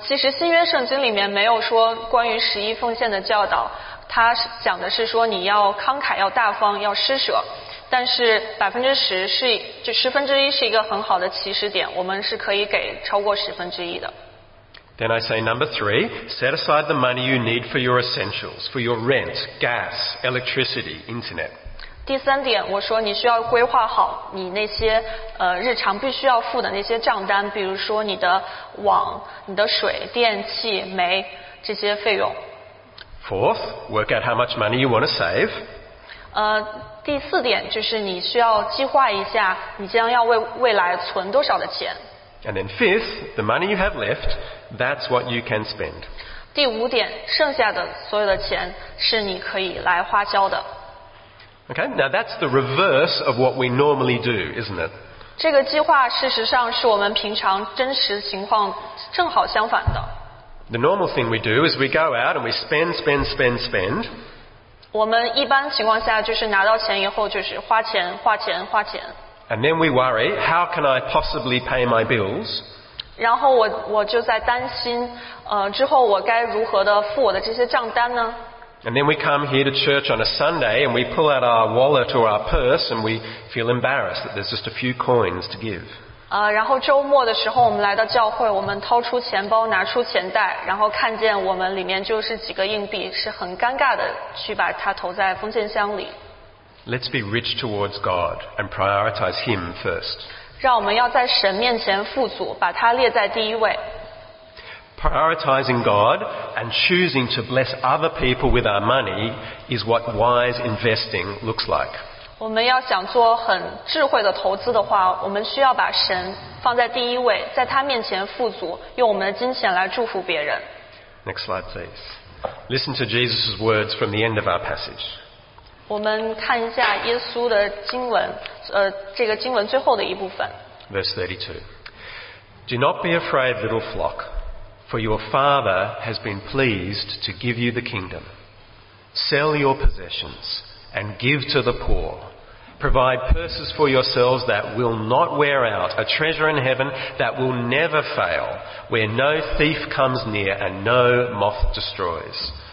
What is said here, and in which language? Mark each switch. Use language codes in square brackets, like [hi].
[zh] 其实新约圣经里面没有说关于十一奉献的教导，它讲的是说你要慷慨、要大方、要施舍。但是10%是就十分之一是一个很好的起始点，我们是可以给超过十分之一的。 [en] Then I say, number three, set aside the money you need for your essentials, for your rent, gas, electricity, internet. [zh] 第三点，我说你需要规划好你那些日常必须要付的那些账单，比如说你的网、你的水、电器、煤这些费用。 [en] Fourth, work out how much money you want to save. [zh] 第四点就是你需要计划一下你将要为未来存多少的钱。 [en] And then fifth, the money you have left, that's what you can spend. [zh] 第五点，剩下的所有的钱是你可以来花销的。 [en] Okay, now that's the reverse of what we normally do, isn't it? [zh] 这个计划事实上是我们平常真实情况正好相反的。 [en] The normal thing we do is we go out and we spend. [zh] 我们一般情况下就是拿到钱以后就是花钱花钱花钱。 [en] And then we worry, how can I possibly pay my bills? [zh] 然后我就在担心之后我该如何的付我的这些账单呢？ [en] And then we come here to church on a Sunday and we pull out our wallet or our purse and we feel embarrassed that there's just a few coins to give. [zh] 然后周末的时候我们来到教会，我们掏出钱包，拿出钱袋，然后看见我们里面就是几个硬币，是很尴尬的去把它投在奉献箱里。 [en] Let's be rich towards God and prioritize Him first. [zh] 让我们要在神面前富足，把它列在第一位。 [en] Prioritizing God and choosing to bless other people with our money is what wise investing looks like. [zh] 我们要想做很智慧的投资的话，我们需要把神放在第一位，在他面前富足，用我们的金钱来祝福别人。 [en] Next slide, please. Listen to Jesus' words from the end of our passage. [zh] 我们看一下耶稣的经文，这个经文最后的一部分。 [en] Verse 32. Do not be afraid, little flock. For your Father has been pleased to give you the kingdom. Sell your possessions and give to the poor. Provide purses for yourselves that will not wear out, a treasure in heaven that will never fail, where no thief comes near and no moth destroys.